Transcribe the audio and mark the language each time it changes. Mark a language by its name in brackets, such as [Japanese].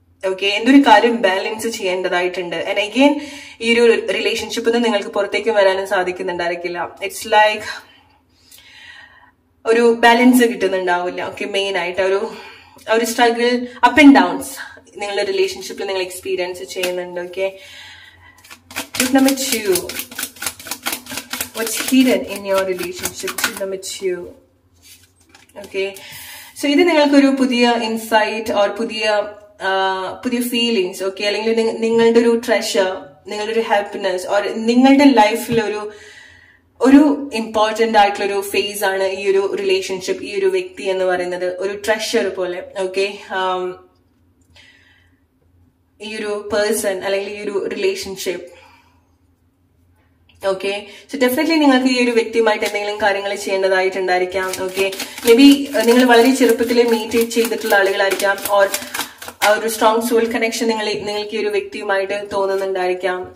[Malayalam] Okay, എന്തൊരു കാര്യം balance ചെയ്യേണ്ടതായിട്ടുണ്ട്. [English] and again [Malayalam] ഈ ഒരു റിലേഷൻഷിപ്പിൽ നിന്ന് നിങ്ങൾക്ക് പുറത്തേക്കും വരാനും സാധിക്കുന്നുണ്ടായിരിക്കില്ല. [English] it's like [Malayalam] ഒരു ബാലൻസ് കിട്ടുന്നുണ്ടാവില്ല. ഓക്കെ, മെയിൻ ആയിട്ട് ഒരു സ്ട്രഗിൾ, അപ്പ് ആൻഡ് ഡൗൺസ് നിങ്ങളുടെ റിലേഷൻഷിപ്പിൽ നിങ്ങൾ എക്സ്പീരിയൻസ് ചെയ്യുന്നുണ്ട്. Okay, group number two, [English] what's hidden in your relationship to limit you. [Malayalam] Okay, so idu ningalku oru pudhiya insight or pudhiya pudhiya feelings, okay, allengil ningalde oru treasure, ningalde oru happiness or ningalde life il oru ഒരു important ആയിട്ടുള്ള ഒരു face ആണ് ഈ ഒരു relationship, ഈ ഒരു വ്യക്തി എന്ന് പറയുന്നത് ഒരു ട്രഷർ പോലെ. ഓക്കെ, ഈ ഒരു പേഴ്സൺ അല്ലെങ്കിൽ ഈ ഒരു റിലേഷൻഷിപ്പ്. ഓക്കെ, സോ ഡെഫിനറ്റ്ലി നിങ്ങൾക്ക് ഈ ഒരു വ്യക്തിയുമായിട്ട് എന്തെങ്കിലും കാര്യങ്ങൾ ചെയ്യേണ്ടതായിട്ടുണ്ടായിരിക്കാം. ഓക്കെ, മേബി നിങ്ങൾ വളരെ ചെറുപ്പത്തിൽ മീറ്റ് ചെയ്തിട്ടുള്ള ആളുകളായിരിക്കാം, ഓർ ഒരു സ്ട്രോങ് സോൾ കണക്ഷൻ നിങ്ങൾക്ക് ഈ ഒരു വ്യക്തിയുമായിട്ട് തോന്നുന്നുണ്ടായിരിക്കാം.